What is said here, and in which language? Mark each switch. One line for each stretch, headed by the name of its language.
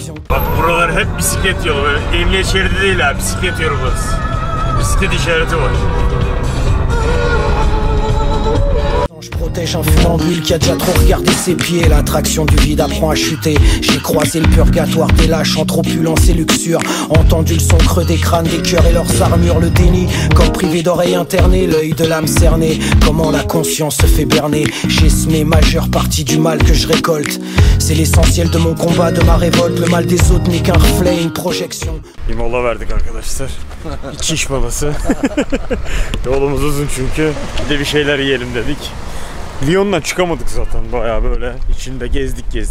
Turkish: Bak buralar hep bisiklet yolu böyle. Emniyet şeridi değil abi, bisiklet yolu burası. Bisiklet işareti var.
French: Protège un funambule qui a déjà trop regardé ses pieds. L'attraction du vide apprend à chuter. J'ai croisé le purgatoire des lâches entre opulence et luxure. Entendu le son creux des crânes, des cœurs et leurs armures. Le déni, corps privé d'oreilles internées. L'œil de l'âme cernée, comment la conscience se fait berner. J'ai semé majeure partie du mal que je récolte. C'est l'essentiel de mon combat, de ma révolte. Le mal des autres n'est qu'un reflet, une projection.
Turkish: Bir mola verdik arkadaşlar. Bir çiş molası. Yolumuz uzun çünkü. Bir de bir şeyler yiyelim dedik. Lyon'la çıkamadık zaten bayağı böyle. İçinde gezdik.